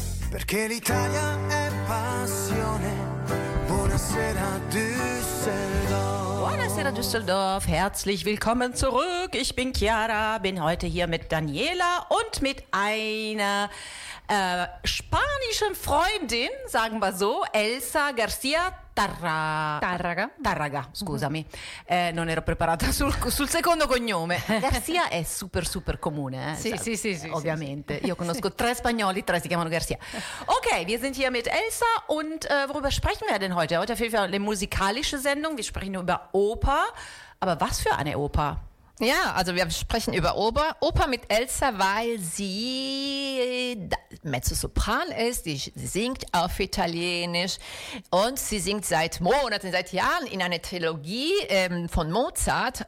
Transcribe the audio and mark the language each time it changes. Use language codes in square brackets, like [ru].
[it] Perché l'Italia è passione. Buonasera Düsseldorf. Buonasera Düsseldorf, [de] herzlich willkommen zurück. Ich bin Chiara, bin heute hier mit Daniela und mit einer spanischen Freundin, sagen wir so, Elsa Garcia Tarraga. [it] Tarraga, scusami. Mm-hmm. Non ero preparata sul secondo cognome. Garcia è super, super comune. Sì, sì, sì, sì. Ovviamente. Sì, sì. Io conosco tre spagnoli, tre si chiamano Garcia. [de] Ok, wir sind hier mit Elsa und worüber sprechen wir denn heute? Heute auf jeden Fall eine musikalische Sendung. Wir sprechen über Oper. Aber was für eine Oper? Ja, also wir sprechen über Oper mit Elsa, weil sie Mezzosopran ist, die singt auf Italienisch und sie singt seit Monaten, seit Jahren in einer Trilogie von Mozart.